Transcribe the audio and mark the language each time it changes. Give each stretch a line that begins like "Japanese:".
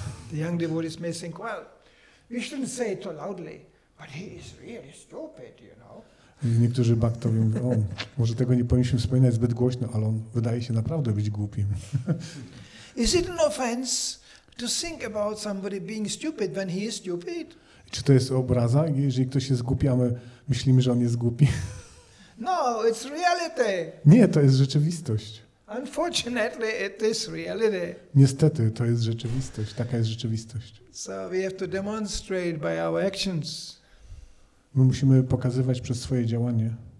English: The young devotees may think, well, we shouldn't say it too loudly, but he is really stupid, you know.
Polish: Niektórzy baktowie mówią, o, może tego nie powinniśmy wspominać zbyt głośno, ale on wydaje się naprawdę być głupim.
English: Is it an offense to think about somebody being stupid when he is stupid?
Polish: Czy to jest obraza, jeżeli ktoś jest głupi, a my myślimy, że on jest głupi?
English: No, it's reality.
Polish: Nie, to jest rzeczywistość.
English: Unfortunately, it is reality.
Polish: Niestety, to jest rzeczywistość. Taka jest rzeczywistość.
English: So we have to demonstrate by our actions.
Polish: My musimy pokazywać przez swoje działanie.